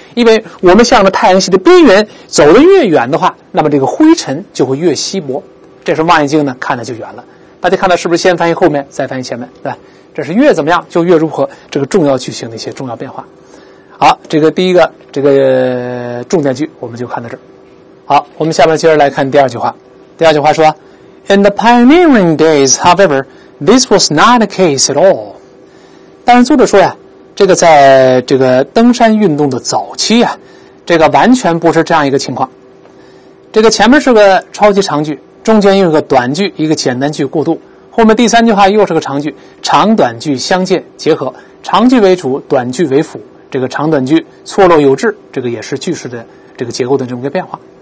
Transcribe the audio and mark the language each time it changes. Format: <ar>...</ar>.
<zh>因为我们向着太阳系的边缘走得越远的话，那么这个灰尘就会越稀薄，这时候望远镜呢看得就远了。大家看到是不是先翻译后面再翻译前面，对吧？这是越怎么样就越如何，这个重要句型的一些重要变化。好，这个第一个这个重点句我们就看到这儿。好，我们下面接着来看第二句话。第二句话说</zh> <en>In the pioneering days, however, this was not the case at all.</en> <zh>但是作者说呀，这个在这个登山运动的早期啊，这个完全不是这样一个情况。这个前面是个超级长句，中间又有个短句，一个简单句过渡，后面第三句话又是个长句，长短句相间结合，长句为主，短句为辅，这个长短句错落有致，这个也是句式的这个结构的这么一个变化。</zh>